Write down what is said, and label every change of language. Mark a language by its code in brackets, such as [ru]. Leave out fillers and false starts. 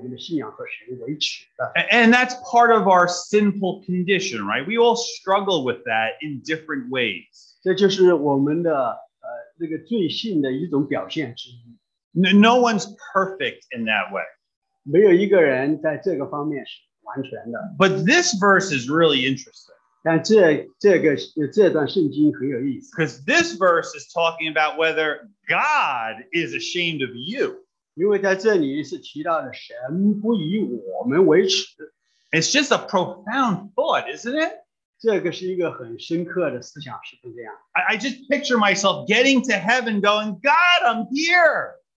[zh] 也许这就是为什么我们不愿意和人谈我们的信仰，也不愿意对我们的同事们说我们是基督徒，因为从某个角度，我们心里头隐隐的觉得是我们是以我们的信仰和神为耻的。 [en] And that's part of our sinful condition, right? We all struggle with that in different ways. [zh] 这就是我们的那个罪性的一种表现之一。 [en] No one's perfect in that way. [zh] 没有一个人在这个方面是完全的。 [en] But this verse is really interesting. [zh] 但这段圣经很有意思。 [en] Because this verse is talking about whether God is ashamed of you. [zh] 因为在这里是提到的神不以我们为耻。 [en] It's just a profound thought, isn't it? [zh] 这个是一个很深刻的思想，是不是这样？ [en] I just picture myself getting to heaven going, God, I'm here.